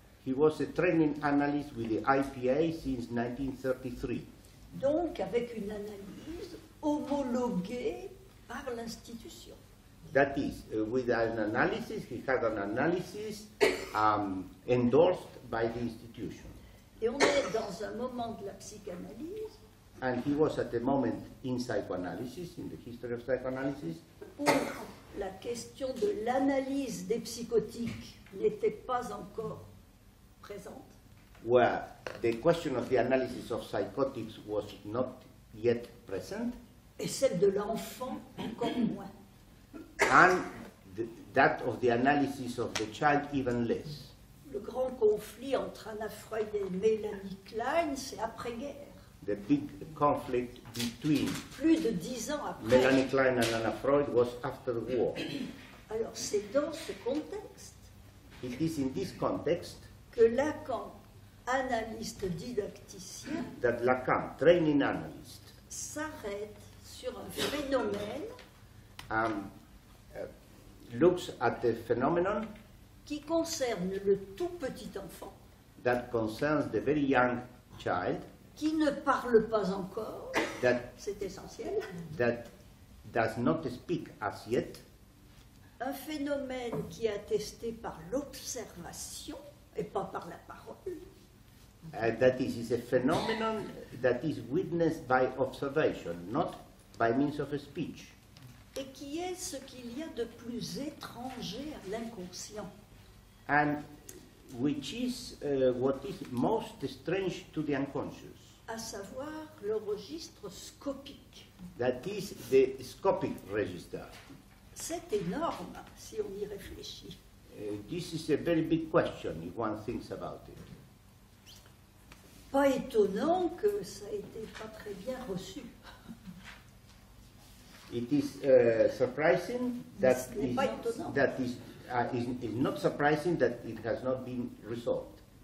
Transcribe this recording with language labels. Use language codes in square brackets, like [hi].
[en] He was a training analyst with the IPA since 1933. [fr] Donc avec une analyse homologuée par l'institution. [en] That is, with an analysis, he had an analysis endorsed by the institution. [fr] Et on est dans un moment de la psychanalyse. [en] And he was at the moment in psychoanalysis, in the history of psychoanalysis. [fr] Où la question de l'analyse des psychotiques n'était pas encore présente. [en] Where the question of the analysis of psychotics was not yet present. [fr] Et celle de l'enfant encore moins. [en] And that of the analysis of the child even less. [fr] Le grand conflit entre Anna Freud et Melanie Klein, c'est après-guerre. [en] The big conflict between [fr] plus de 10 ans après. [en] Melanie Klein and Anna Freud was after the war. [fr] Alors c'est dans ce contexte. [en] It is in this context [fr] que Lacan, analyste didacticien, [en] that Lacan, training analyst, [fr] s'arrête sur un phénomène. [en] Looks at the phenomenon. [fr] Qui concerne le tout petit enfant. [en] That concerns the very young child. [fr] Qui ne parle pas encore. [en] That, [fr] c'est essentiel. [en] That does not speak as yet. [fr] Un phénomène qui est attesté par l'observation et pas par la parole. [en] That is a phenomenon that is witnessed by observation, not by means of a speech. [fr] Et qui est ce qu'il y a de plus étranger à l'inconscient. [en] And which is what is most strange to the unconscious. [fr] À savoir le registre scopique. [en] That is the scopic register. [fr] C'est énorme si on y réfléchit. [en] This is a very big question if one thinks about it. [fr] Pas étonnant que ça ait été pas très bien reçu. [en] It is surprising that it's not surprising that it has not been resolved.